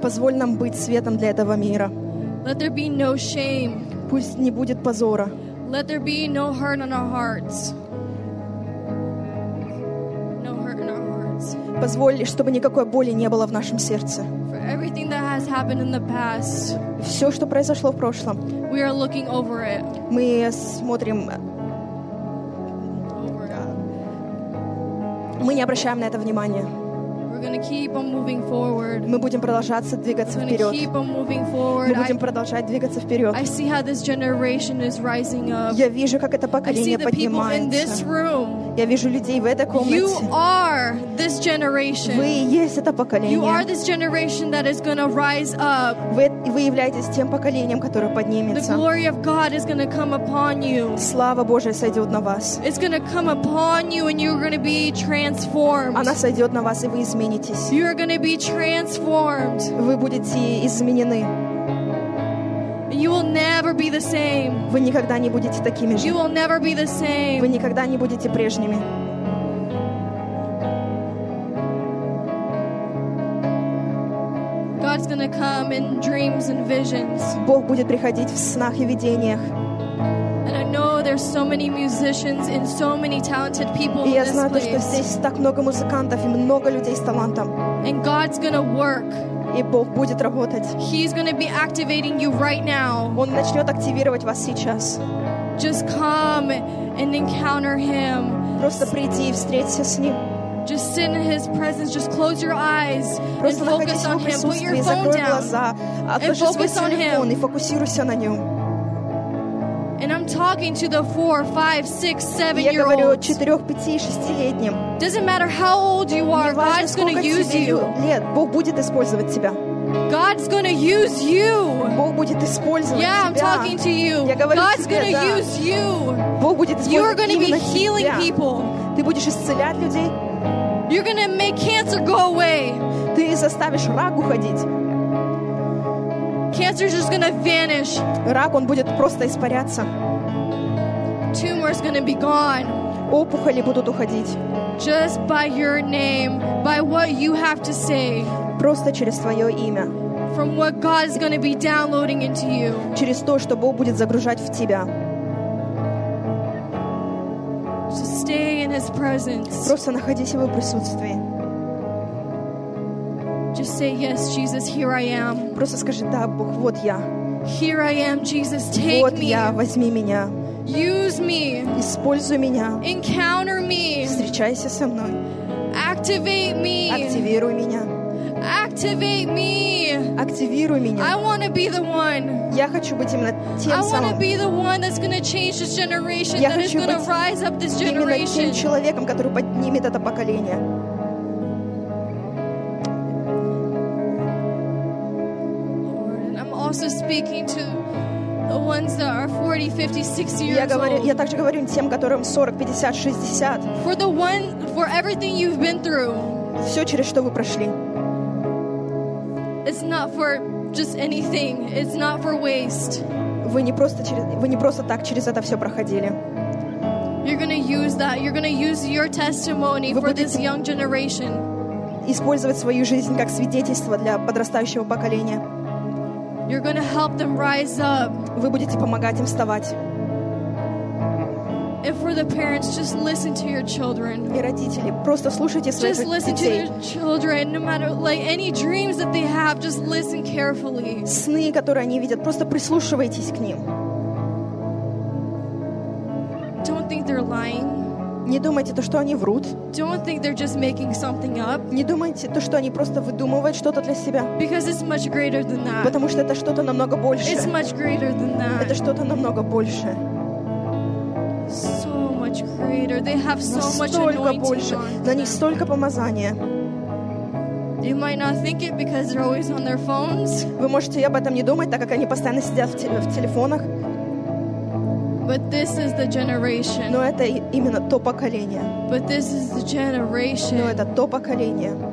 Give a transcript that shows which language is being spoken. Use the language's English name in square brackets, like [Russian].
[Russian] Позволь нам быть светом для этого мира. [English] Let there be no shame. [Russian] Пусть не будет позора. [English] Let there be no hurt in our hearts. No hurt in our hearts. [Russian] Позволь, чтобы никакой боли не было в нашем сердце. [English] For everything that has happened in the past. [Russian] Все, что произошло в прошлом. [English] We are looking over it. [Russian] Мы смотрим. Мы не обращаем на это внимания. [English] We're gonna keep on moving forward. [Russian] Мы будем продолжаться двигаться вперед. [English] Keep on moving forward. [Russian] Мы будем продолжать двигаться вперед. [English] I see how this generation is rising up. [Russian] Я вижу, как это поколение поднимается. [English] I see the people in this room. [Russian] Я вижу людей в этой комнате. [English] You are this generation. [Russian] Вы есть это поколение. [English] You are this generation that is gonna rise up. [Russian] Вы являетесь тем поколением, которое поднимется. [English] The glory of God is gonna come upon you. [Russian] Слава Божия сойдет на вас. [English] It's gonna come upon you and you're gonna be transformed. [Russian] Она сойдет на вас, и вы изменитесь. [English] You are going to be transformed. [Russian] Вы будете изменены. [English] You will never be the same. [Russian] Вы никогда не будете такими же. [English] You will never be the same. [Russian] Вы никогда не будете прежними. [English] God's going to come in dreams and visions. [Russian] Бог будет приходить в снах и видениях. [English] There's so many musicians and so many talented people in this place. [Russian] Что здесь так много музыкантов и много людей с талантом. [English] And God's gonna work. [Russian] И Бог будет работать. [English] He's gonna be activating you right now. [Russian] Он начнет активировать вас сейчас. [English] Just come and encounter Him. [Russian] Просто прийди и встреться с Ним. [English] Just sit in His presence. Just close your eyes [Russian] Просто [English] and focus on Him. Put your phone down. [Russian] Глаза, [English] and focus on Him. [Russian] И фокусируйся на Нем. [English] And I'm talking to the 4, 5, 6, 7-year-olds. [Russian] Я говорю о 4, 5, 6-летнем. [English] Doesn't matter how old you are. God's going to use you. [Russian] Нет, Бог будет использовать тебя. [English] God's going to use you. [Russian] Бог будет использовать тебя. [English] Yeah, I'm talking to you. [Russian] Я говорю тебе, да. [English] God's going to use you. [Russian] Бог будет использовать тебя. [English] You're going to be healing people. [Russian] Ты будешь исцелять людей. [English] You're going to make cancer go away. [Russian] Ты заставишь рак уходить. [English] Cancer is just gonna vanish. [Russian] Рак, он будет просто испаряться. [English] Tumor is gonna be gone. [Russian] Опухоли будут уходить. [English] Just by your name, by what you have to say. [Russian] Просто через твое имя. [English] From what God is gonna be downloading into you. [Russian] Через то, что Бог будет загружать в тебя. [English] So stay in His presence. [Russian] Просто находись в Его присутствии. [English] Just say yes, Jesus. Here I am. [Russian] Просто скажи да, Бог, вот я. [English] Here I am, Jesus. Take [Russian] вот [English] me. [Russian] Вот я, возьми меня. [English] Use me. [Russian] Используй меня. [English] Encounter me. [Russian] Встречайся со мной. [English] Activate me. [Russian] Активируй меня. [English] Activate me. [Russian] Активируй меня. [English] I want to be the one. [Russian] Я хочу быть именно тем самым. [English] I want to be the one that's going to change this generation. [Russian] Я [English] that is going to rise up this generation. [Russian] Я хочу быть именно тем человеком, который поднимет это поколение. [English] Also speaking to the ones that are 40, 50, 60 years old. [Russian] Я также говорю тем, которым 40, 50, 60. [English] For the one, for everything you've been through. [Russian] Все, через что вы прошли. [English] It's not for just anything. It's not for waste. [Russian] Вы не просто так через это все проходили. [English] You're gonna use that. You're gonna use your testimony for this young generation. [Russian] Использовать свою жизнь как свидетельство для подрастающего поколения. [English] You're gonna help them rise up. [Russian] Вы будете помогать им вставать. [English] And for the parents, just listen to your children. [Russian] И родители, просто слушайте своих детей. [English] Just listen to your children, no matter like any dreams that they have, just listen carefully. [Russian] Сны, которые они видят, просто прислушивайтесь к ним. [English] Don't think they're lying. [Russian] Не думайте то, что они врут. [English] Don't think they're just making something up. [Russian] Не думайте то, что они просто выдумывают что-то для себя. [English] Because it's much greater than that. [Russian] Потому что это что-то намного больше. [English] It's much greater than that. [Russian] Это что-то намного больше. [English] So much greater. They have so much anointing on them. [Russian] На них столько помазания. [English] You might not think it because they're always on their phones. [Russian] Вы можете об этом не думать, так как они постоянно сидят в телефонах. [English] But this is the generation. [Russian] Но это именно то поколение. [English] But this is the generation. [Russian] Но это то поколение.